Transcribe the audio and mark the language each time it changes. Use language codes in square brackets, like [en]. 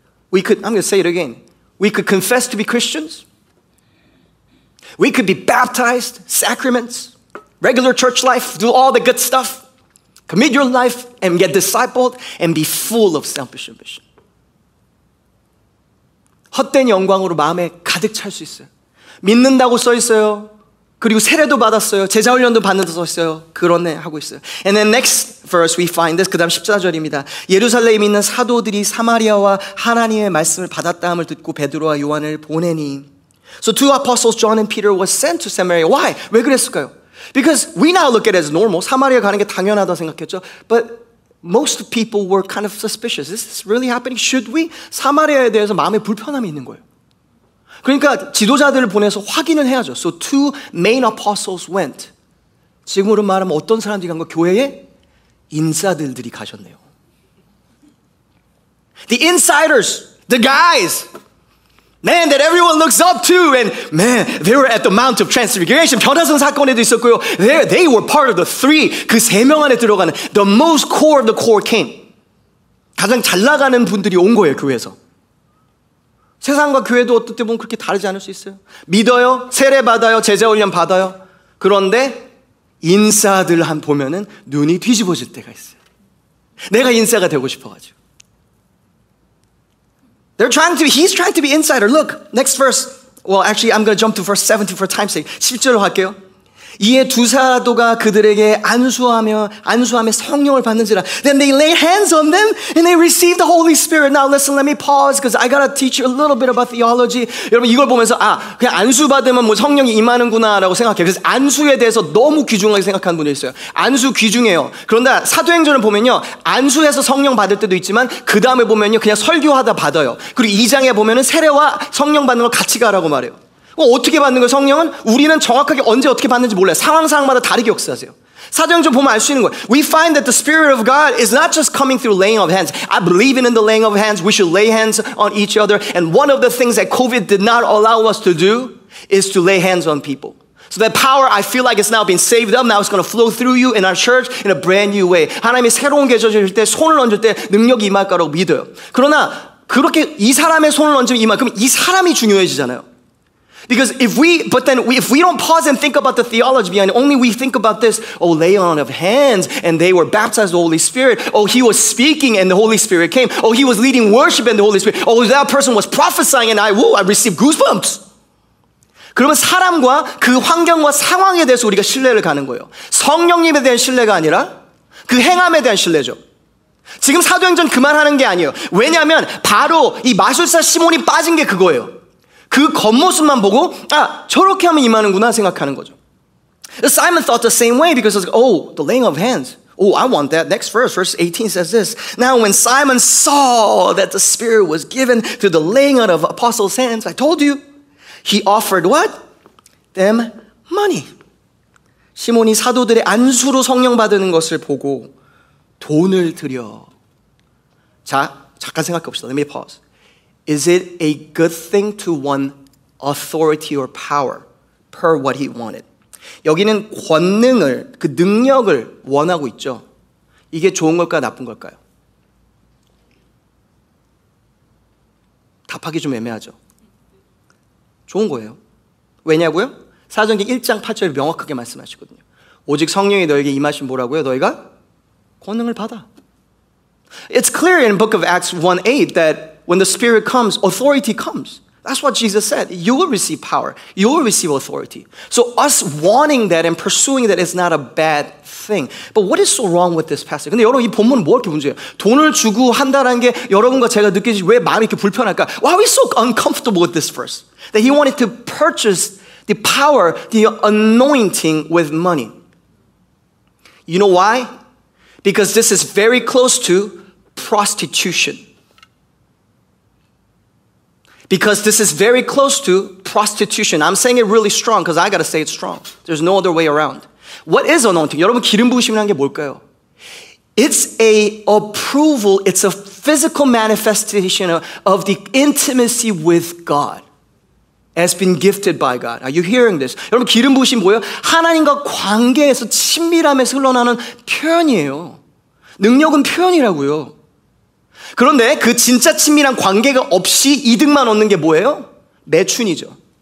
[en] We could, I'm going to say it again, we could confess to be Christians, we could be baptized, sacraments, regular church life, do all the good stuff, commit your life and get discipled and be full of selfish ambition. [ko] 헛된 영광으로 마음에 가득 찰 수 있어요. 믿는다고 써 있어요. 그리고 세례도 받았어요. 제자 훈련도 받는다고 써 있어요. 그러네 하고 있어요. [en] And then next verse we find this. [ko] 그 다음 14절입니다. 예루살렘에 있는 사도들이 사마리아와 하나님의 말씀을 받았다함을 듣고 베드로와 요한을 보내니. So two apostles, John and Peter, were sent to Samaria. [en] Why? [ko] 왜 그랬을까요? [en] Because we now look at it as normal. [ko] 사마리아 가는 게 당연하다 생각했죠. [en] But most people were kind of suspicious. Is this really happening? Should we? [ko] 사마리아에 대해서 마음에 불편함이 있는 거예요. 그러니까 지도자들을 보내서 확인을 해야죠. [en] So two main apostles went. [ko] 지금으로 말하면 어떤 사람들이 간 거? 교회에 인사들들이 가셨네요. [en] The insiders, the guys. Man, that everyone looks up to. And man, they were at the Mount of Transfiguration. [ko] 변화산 사건에도 있었고요. [en] They were part of the three. [ko] 그 세 명 안에 들어가는. [en] The most core of the core came. [ko] 가장 잘 나가는 분들이 온 거예요, 교회에서. 세상과 교회도 어떤 때 보면 그렇게 다르지 않을 수 있어요. 믿어요. 세례 받아요. 제자 훈련 받아요. 그런데 인사들 한 보면은 눈이 뒤집어질 때가 있어요. 내가 인사가 되고 싶어가지고. [en] They're trying to be, he's trying to be insider. Look, next verse. Well, actually, I'm going to jump to verse 17 for time's sake. [ko] 17절로 갈게요. 이에 두 사도가 그들에게 안수하며 성령을 받는지라. [en] Then they laid hands on them and they received the Holy Spirit. Now listen, let me pause because I got to teach you a little bit about theology. [ko] 여러분, 이걸 보면서, 아, 그냥 안수 받으면 뭐 성령이 임하는구나라고 생각해요. 그래서 안수에 대해서 너무 귀중하게 생각하는 분이 있어요. 안수 귀중해요. 그런데 사도행전을 보면요. 안수해서 성령 받을 때도 있지만, 그 다음에 보면요. 그냥 설교하다 받아요. 그리고 2장에 보면은 세례와 성령 받는 걸 같이 가라고 말해요. 어떻게 받는 거예요? 성령은 우리는 정확하게 언제 어떻게 받는지 몰라요. 상황마다 다르게 역사하세요. 사도행전 보면 알 수 있는 거예요. [en] We find that the Spirit of God is not just coming through laying of hands. I believe in the laying of hands. We should lay hands on each other. And one of the things that COVID did not allow us to do is to lay hands on people. So that power, I feel like it's now been saved up. Now it's going to flow through you in our church in a brand new way. [ko] 하나님이 새로운 계절 주실 때 손을 얹을 때 능력이 임할 거라고 믿어요. 그러나 그렇게 이 사람의 손을 얹으면 임할 그러면 이 사람이 중요해지잖아요. [en] Because if we don't pause and think about the theology behind it, only we think about this, oh, lay on of hands, and they were baptized with the Holy Spirit. Oh, he was speaking, and the Holy Spirit came. Oh, he was leading worship, and the Holy Spirit. Oh, that person was prophesying, and I received goosebumps. [ko] 그러면 사람과 그 환경과 상황에 대해서 우리가 신뢰를 가는 거예요. 성령님에 대한 신뢰가 아니라 그 행함에 대한 신뢰죠. 지금 사도행전 그만하는 게 아니에요. 왜냐하면 바로 이 마술사 시몬이 빠진 게 그거예요. 그 겉모습만 보고 아 저렇게 하면 임하는구나 생각하는 거죠. [en] Simon thought the same way because oh, the laying of hands. Oh, I want that. Next verse, verse 18 says this. Now when Simon saw that the Spirit was given through the laying out of apostles' hands, I told you, he offered what? Them money. [ko] 시몬이 사도들의 안수로 성령 받는 것을 보고 돈을 드려. 자, 잠깐 생각해 봅시다. [en] Let me pause. Is it a good thing to want authority or power per what he wanted? [ko] 여기는 권능을, 그 능력을 원하고 있죠. 이게 좋은 걸까요, 나쁜 걸까요? 답하기 좀 애매하죠. 좋은 거예요. 왜냐고요? 사도행전 1장 8절 명확하게 말씀하시거든요. 오직 성령이 너에게 임하신 뭐라고요? 너희가 권능을 받아. [en] It's clear in the book of Acts 1:8 that when the Spirit comes, authority comes. That's what Jesus said. You will receive power. You will receive authority. So us wanting that and pursuing that is not a bad thing. But what is so wrong with this passage? [ko] 근데 여러분 이 본문은 뭐 이렇게 문제예요? 돈을 주고 한다는 게 여러분과 제가 느끼지 왜 마음이 이렇게 불편할까? [en] Why are we so uncomfortable with this verse? That he wanted to purchase the power, the anointing with money. You know why? Because this is very close to prostitution. Because this is very close to prostitution. I'm saying it really strong because I got to say it strong. There's no other way around. What is anointing? [ko] 여러분, 기름 부으심이라는 게 뭘까요? [en] It's a approval. It's a physical manifestation of the intimacy with God has been gifted by God. Are you hearing this? [ko] 여러분, 기름 부으심 뭐예요? 하나님과 관계에서 친밀함에서 흘러나는 표현이에요. 능력은 표현이라고요. 그런데 그 진짜 친밀한 관계가 없이 이득만 얻는 게 뭐예요? 매춘이죠.